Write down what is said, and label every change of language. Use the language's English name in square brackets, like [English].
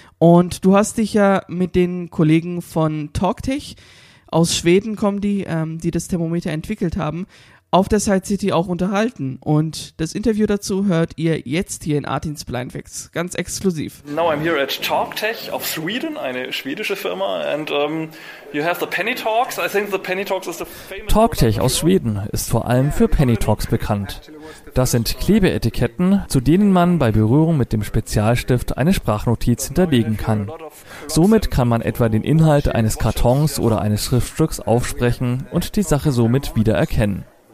[German] Und du hast dich ja mit den Kollegen von TalkTech, aus Schweden kommen die, die das Thermometer entwickelt haben, auf der Sight City auch unterhalten. Und das Interview dazu hört ihr jetzt hier in Artins Blindfix, ganz exklusiv. [English] Now I'm here at TalkTech of Sweden, [German] eine schwedische Firma. [English] And you have the PennyTalk. I think the PennyTalk is the famous. [German] TalkTech aus Schweden ist vor allem für PennyTalk bekannt. Das sind Klebeetiketten, zu denen man bei Berührung mit dem Spezialstift eine Sprachnotiz hinterlegen kann. Somit kann man etwa den Inhalt eines Kartons oder eines Schriftstücks aufsprechen und die Sache somit wiedererkennen.